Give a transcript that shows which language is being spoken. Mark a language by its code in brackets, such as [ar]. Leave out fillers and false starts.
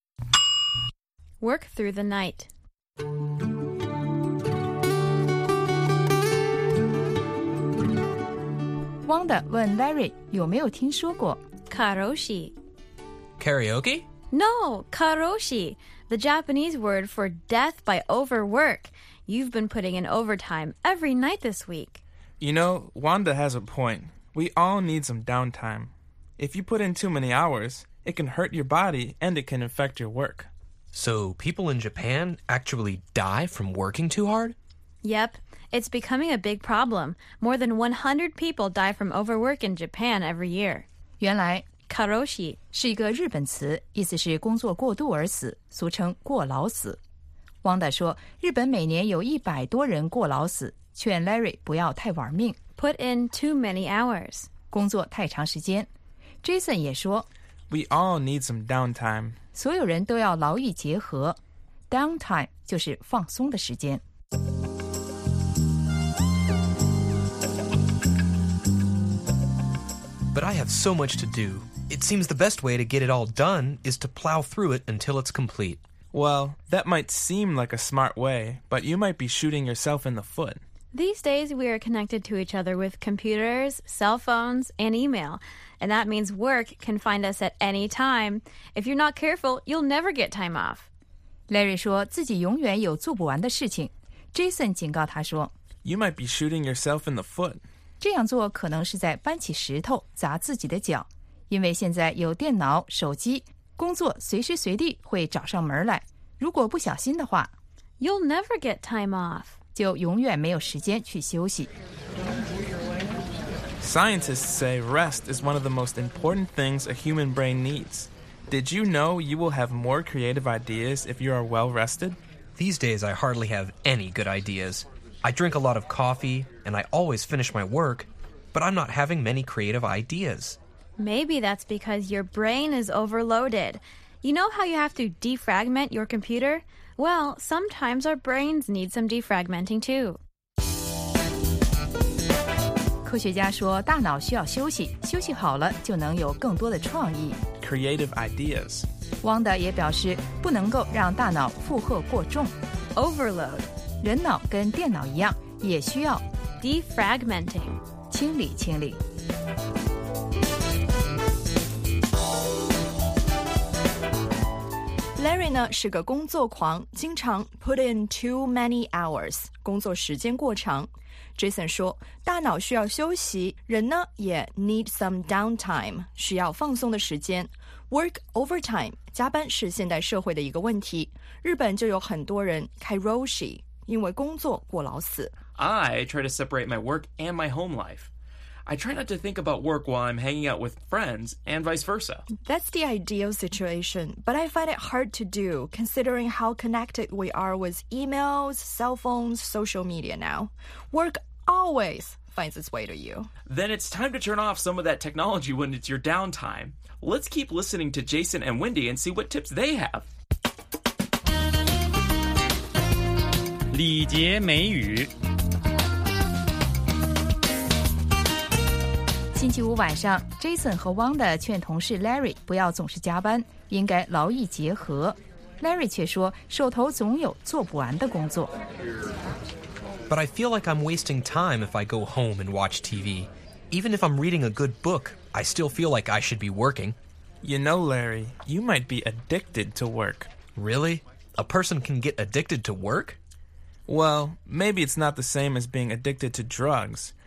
[zh] Larry估计还要6个小时才能完事儿，所以一定要熬夜。 [en] Work through the night. [zh] Wanda 问 Larry 有没有听说过 [ja] karoshi. [en] Karaoke? No, karoshi, the Japanese word for death by overwork. You've been putting in overtime every night this week. You know, Wanda has a point. We all need some downtime. If you put in too many hours, it can hurt your body and it can affect your work. So people in Japan actually die from working too hard? Yep, it's becoming a big problem. More than 100 people die from overwork in Japan every year. [zh] 原来 [ja] karoshi [zh] 是一个日本词，意思是工作过度而死，俗称过劳死。汪达说，日本每年有100多人过劳死，劝 Larry 不要太玩命。 [en] Put in too many hours. [zh] 工作太长时间。Jason 也说 [en] We all need some downtime. [zh] 所有人都要劳逸结合。 Downtime 就是放松的时间。 [en] But I have so much to do. It seems the best way to get it all done is to plow through it until it's complete. Well, that might seem like a smart way, but you might be shooting yourself in the foot. These days, we are connected to each other with computers, cell phones, and email. And that means work can find us at any time. If you're not careful, you'll never get time off. [zh] Larry 说自己永远有做不完的事情。 Jason 警告他说 [en] You might be shooting yourself in the foot. [zh] 这样做可能是在搬起石头砸自己的脚。因为现在有电脑、手机，工作随时随地会找上门来。如果不小心的话 [en] You'll never get time off. [zh] 就永远没有时间去休息。 [en] Scientists say rest is one of the most important things a human brain needs. Did you know you will have more creative ideas if you are well rested? These days I hardly have any good ideas. I drink a lot of coffee and I always finish my work, but I'm not having many creative ideas. Maybe that's because your brain is overloaded. You know how you have to defragment your computer? Well, sometimes our brains need some defragmenting too. [zh] 科学家说大脑需要休息，休息好了就能有更多的创意。 [en] Creative ideas. [zh] Wanda 也表示不能够让大脑负荷过重。 [en] Overload. [zh] 人脑跟电脑一样也需要。 [en] Defragmenting. [zh] 清理清理。 Larry 呢是个工作狂，经常 [en] put in too many hours， [zh] 工作时间过长。 Jason 说，大脑需要休息，人呢也 [en] need some downtime， [zh] 需要放松的时间。 [en] Work overtime， [zh] 加班是现代社会的一个问题。日本就有很多人 karoshi， 因为工作过劳死。 [en] I try to separate my work and my home life. I try not to think about work while I'm hanging out with friends, and vice versa. That's the ideal situation, but I find it hard to do, considering how connected we are with emails, cell phones, social media now. Work always finds its way to you. Then it's time to turn off some of that technology when it's your downtime. Let's keep listening to Jason and Wendy and see what tips they have. [zh] 礼节美语星期五晚上 ，Jason 和 Wanda 劝同事 Larry 不要总是加班，应该劳逸结合。 Larry 却说手头总有做不完的工作。 [en] But I feel like I'm wasting time if I go home and watch TV. Even if I'm reading a good book, I still feel like I should be working. You know, Larry, you might be addicted to work. Really? A person can get addicted to work? Well, maybe it's not the same as being addicted to drugs.